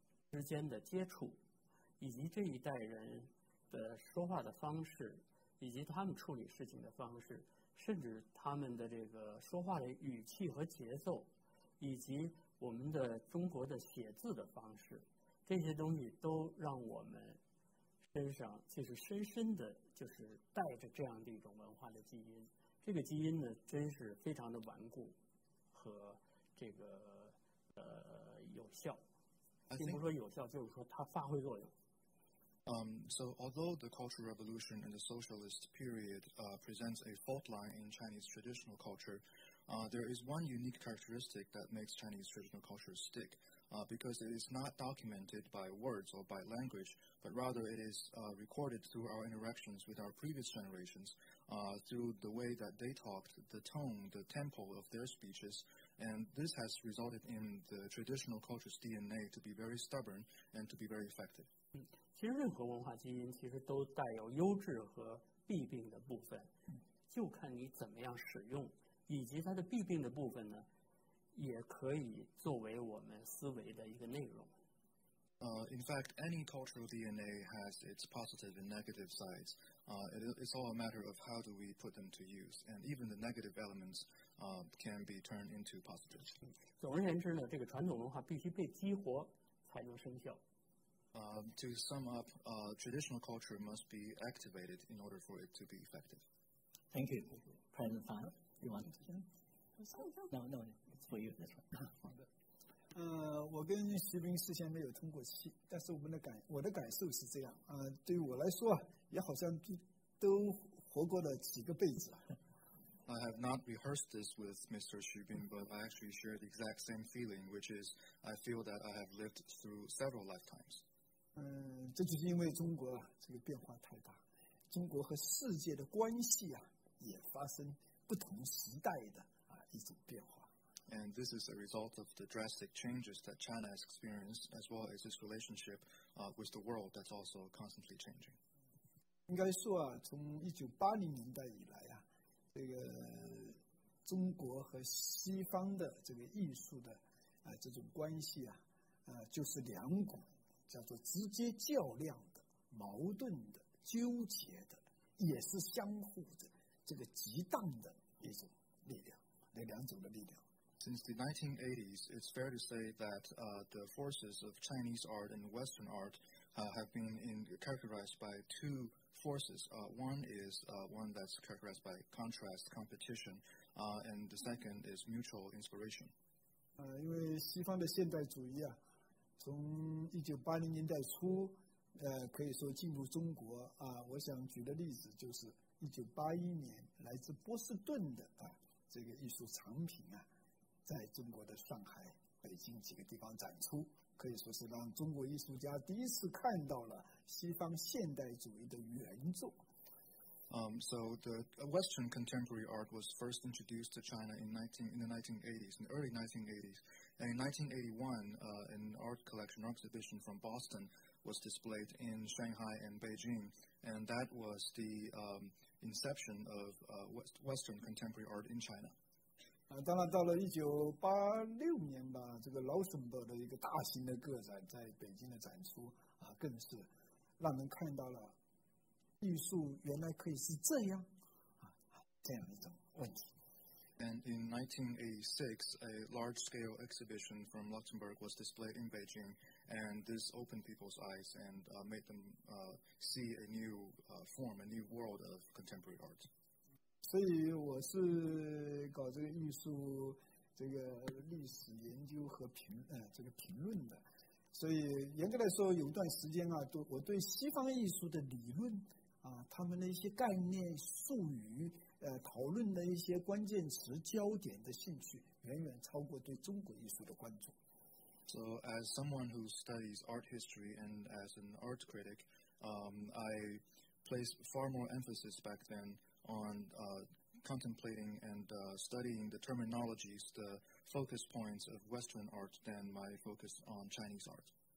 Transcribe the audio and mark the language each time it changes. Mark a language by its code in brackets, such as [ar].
[zh] 之间的接触，以及这一代人的说话的方式，以及他们处理事情的方式，甚至他们的这个说话的语气和节奏，以及我们的中国的写字的方式，这些东西都让我们身上就是深深的就是带着这样的一种文化的基因。这个基因呢真是非常的顽固和这个有效，并不是说有效，就是说它发挥作用。 [en] So although the Cultural Revolution and the Socialist period presents a fault line in Chinese traditional culture, there is one unique characteristic that makes Chinese traditional culture stick, because it is not documented by words or by language, but rather it is recorded through our interactions with our previous generations, through the way that they talked, the tone, the tempo of their speeches, and this has resulted in the traditional culture's DNA to be very stubborn and to be very effective. [zh] 其实任何文化基因其实都带有优质和弊病的部分，就看你怎么样使用，以及它的弊病的部分呢，也可以作为我们思维的一个内容。 [en] In fact, any cultural DNA has its positive and negative sides. It's all a matter of how do we put them to use, and even the negative elements can be turned into positives. [zh] 总而言之呢，这个传统文化必须被激活才能生效。 [en] To sum up, traditional culture must be activated in order for it to be effective. Thank you, President Fan. You want to? No, no, it's for you. That's right. [zh] 我跟习斌事先没有通过气，但是我的感受是这样。对于我来说，也好像都活过了几个辈子。 [en] I have not rehearsed this with Mr. Xu Bin, but I actually share the exact same feeling, which is I feel that I have lived through several lifetimes. [zh] 这就是因为中国这个变化太大，中国和世界的关系啊，也发生不同时代的一种变化。 [en] And this is a result of the drastic changes that China has experienced, as well as its relationship with the world that's also constantly changing. [zh] 应该说啊，从1980年代以来啊，这个中国和西方的这个艺术的这种关系啊，就是两股叫做直接较量的、矛盾的、纠结的，也是相互的这个激荡的一种力量，那两种的力量。 [en] Since the 1980s, it's fair to say that the forces of Chinese art and Western art have been characterized by two forces. One is one that's characterized by contrast, competition, and the second is mutual inspiration. [zh] 因为西方的现代主义啊，从1980年代初，可以说进入中国啊，我想举的例子就是1981年来自波士顿的这个艺术藏品啊。在中国的上海、北京几个地方展出，可以说是让中国艺术家第一次看到了西方现代主义的原作。 [en] So the Western contemporary art was first introduced to China in the 1980s, in the early 1980s. And in 1981, an art collection or exhibition from Boston was displayed in Shanghai and Beijing, and that was the inception of Western contemporary art in China. [zh] 当然到了1986年吧，这个劳森堡的一个大型的个展在北京的展出啊，更是让人看到了艺术原来可以是这样这样一种问题。 [en] And in 1986, a large-scale exhibition from Luxembourg was displayed in Beijing, and this opened people's eyes and made them see a new form, a new world of contemporary art. [zh] 所以我是搞这个艺术这个历史研究和这个评论的，所以严格来说有一段时间啊，我对西方艺术的理论啊，他们的一些概念术语讨论的一些关键词焦点的兴趣远远超过对中国艺术的关注。 [en] So as someone who studies art history and as an art critic, I placed far more emphasis back then on contemplating and studying the terminologies, the focus points of Western art than my focus on Chinese art.